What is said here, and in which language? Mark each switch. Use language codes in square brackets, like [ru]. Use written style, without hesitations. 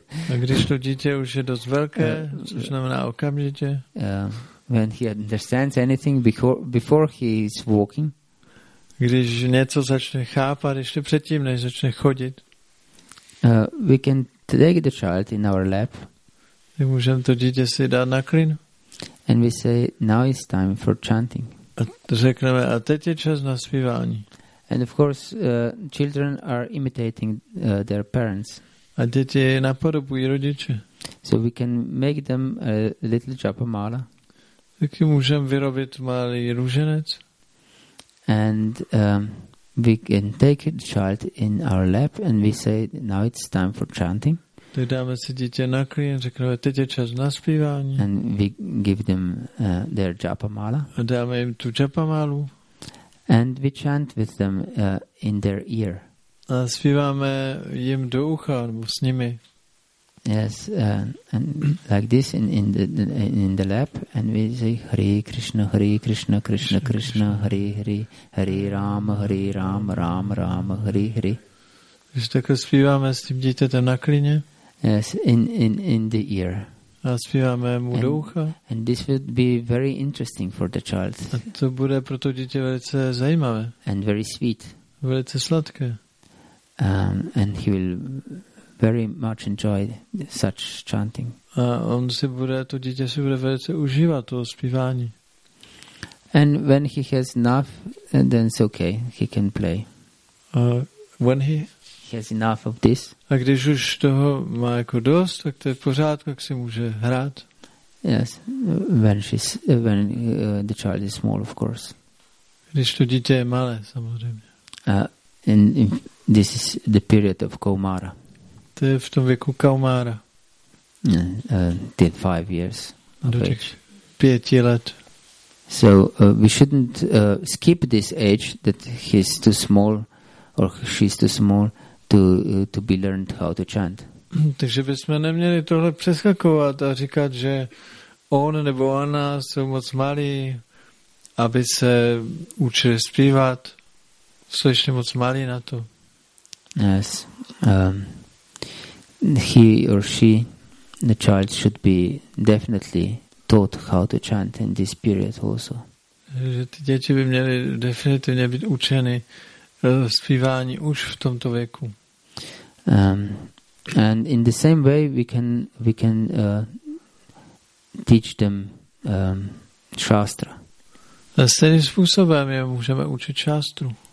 [cs] A když to dítě už je dost velké, což znamená okamžitě. [en] When he understands anything before he is walking. [cs] Když něco začne chápat ještě předtím, než začne chodit. [en] We can take the child in our lap. [cs] My můžeme to dítě si dát na klín. [en] And we say, now is time for chanting. [cs] A řekneme, a teď je čas na zpívání. [en] And of course, children are imitating their parents. [cs] A děti napodobují rodiče. [en] So we can make them a little japa mala. [cs] Taky můžeme vyrobit malý růženec. [en] And we can take the child in our lap and we say now it's time for chanting. [cs] Tak dáme si dítě na klín, řekneme, teď je čas na zpívání. [en] And we give them their japa mala. [cs] A dáme jim tu japa malu. [en] And we chant with them in their ear. [cs] A zpíváme jim do ucha nebo s nimi. [en] Yes, and like this in the lab, and we say Hare Krishna, Hare Krishna, Krishna Krishna, Hare Hare, Hare Rama, Hare Rama, Rama Rama, Hare Hare. [cs] Když takhle zpíváme s tím dítětem na klině. [en] Yes, in the ear. [cs] A zpíváme mu do ucha. [en] And this would be very interesting for the child. [cs] A to bude pro to dítě velice zajímavé. [en] And very sweet. [cs] Velice sladké. [en] And he will very much enjoy such chanting. [cs] A on si bude, to dítě si bude velice užívat toho zpívání. [en] And when he has enough, then it's okay, he can play. When he has enough of this. [cs] A když už toho má jako dost, tak to je v pořádku, jak si může hrát. [en] Yes, when the child is small, of course. [cs] Když to dítě je malé, samozřejmě. [en] And this is the period of Kaumara. [cs] To je v tom věku Kaumara. [en] Till 5 years. [cs] Do těch 5 let. [en] So we shouldn't skip this age that he's too small or she's too small to be learned how to chant. [cs] Takže bychom neměli tohle přeskakovat a říkat, že on nebo ona jsou moc malí, aby se učili zpívat. Jsou ještě moc malí na to. [en] Yes. He or she, the child, should be definitely taught how to chant in this period also. [cs] Že ty děti by měly definitivně být učeny zpívání už v tomto věku. [en] And in the same way we can teach them shastra. [cs] A stejným způsobem je můžeme učit šástru.